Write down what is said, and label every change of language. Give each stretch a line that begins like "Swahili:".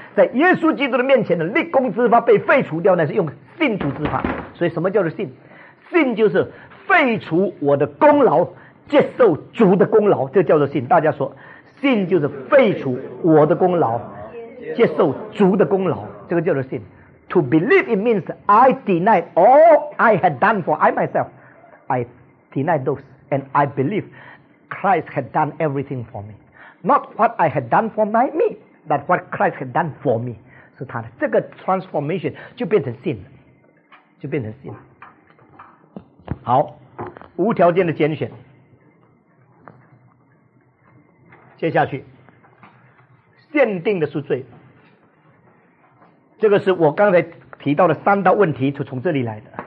Chinese: 在耶稣基督的面前的立功之法被废除掉，那是用信主之法。所以什么叫做信？信就是废除我的功劳，接受主的功劳，这叫做信。大家说，信就是废除我的功劳，接受主的功劳，这个叫做信。
English: To believe it means I deny all I had done for I myself, I deny those and I believe Christ had done everything for me, not what I had done for my me, but what Christ had done for me.
Chinese: 是他的这个 transformation 就变成信了，就变成信了。好，无条件的拣选。接下去限定的是罪，这个是我刚才提到的三道问题，就从这里来的。